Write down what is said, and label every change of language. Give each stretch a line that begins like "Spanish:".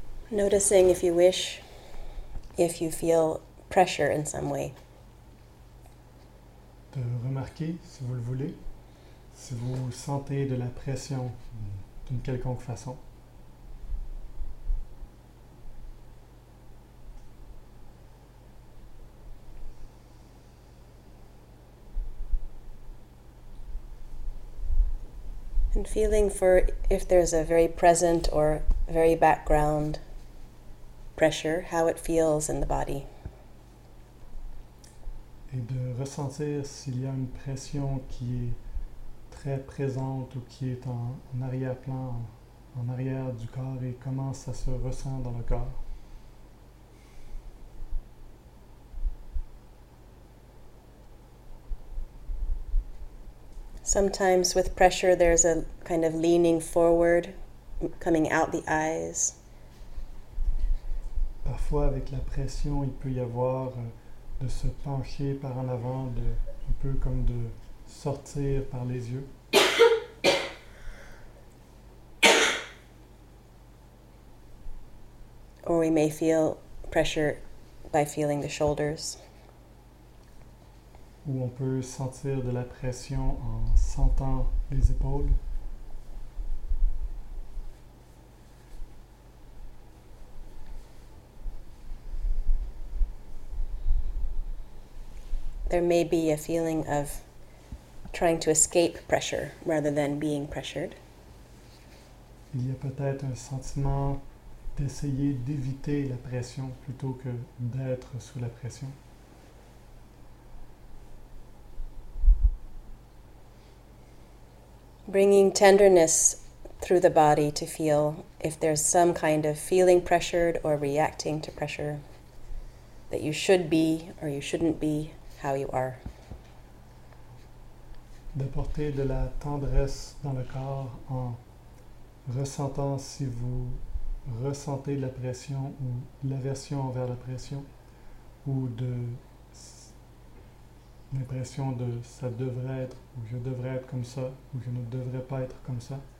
English: Noticing if you wish, if you feel pressure in some way.
French: De remarquer si vous le voulez, si vous sentez de la pression d'une quelconque façon.
English: And feeling for if there's a very present or very background pressure, how it feels in the body.
French: Et de ressentir s'il y a une pression qui est très présente ou qui est en arrière-plan, en arrière du corps, et comment ça se ressent dans le corps.
English: Sometimes with pressure, there's a kind of leaning forward, coming out the eyes.
French: Parfois, avec la pression, il peut y avoir de se pencher par en avant, de, un peu comme de sortir par les yeux.
English: Or we may feel pressure by feeling the shoulders.
French: Où on peut sentir de la pression en sentant les épaules.
English: There may be a feeling of trying to escape pressure rather than being pressured.
French: Il y a peut-être un sentiment d'essayer d'éviter la pression plutôt que d'être sous la pression.
English: Bringing tenderness through the body to feel if there's some kind of feeling pressured or reacting to pressure that you should be or you shouldn't be how you are.
French: D'apporter de la tendresse dans le corps en ressentant si vous ressentez la pression ou l'aversion envers la pression ou de l'impression de ça devrait être ou je devrais être comme ça ou je ne devrais pas être comme ça.